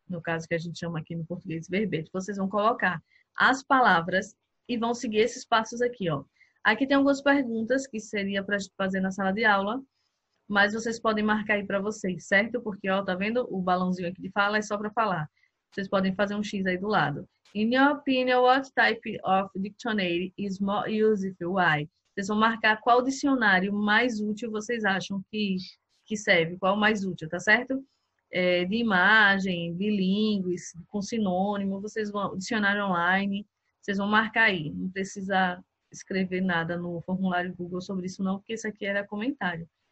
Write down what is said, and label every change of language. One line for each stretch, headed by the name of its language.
Portuguese: no caso que a gente chama aqui no português verbete, vocês vão colocar as palavras e vão seguir esses passos aqui, ó. Aqui tem algumas perguntas que seria para fazer na sala de aula, mas vocês podem marcar aí para vocês, certo? Porque, ó, tá vendo o balãozinho aqui de fala, é só para falar. Vocês podem fazer um X aí do lado.
English: In your opinion, what type of dictionary is more useful? Why?
Portuguese: Vocês vão marcar qual dicionário mais útil vocês acham que serve, qual mais útil, tá certo? É, de imagem, bilíngues, com sinônimo, vocês vão, dicionário online, vocês vão marcar aí. Não precisa escrever nada no formulário Google sobre isso, não, porque isso aqui era comentário.